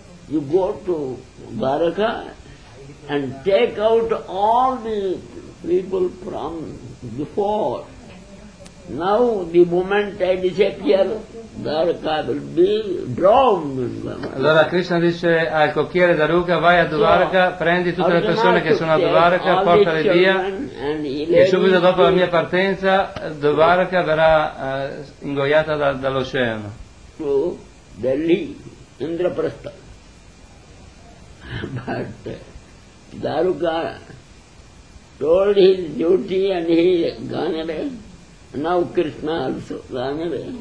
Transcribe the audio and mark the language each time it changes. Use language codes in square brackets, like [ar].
[en] You go to Dwaraka and take out all the people from before. Now the moment I disappear, Dwaraka will be drowned. [it] Allora Krishna dice al cocchiere Daruka, vai a Dwaraka, prendi tutte le persone che sono a Dwaraka, portale via, e subito dopo la mia partenza Dwaraka verrà ingoiata dall'oceano. [en] To Delhi, Indraprastha. But Daruka told his duty and he gone away. Now Krishna also gone away.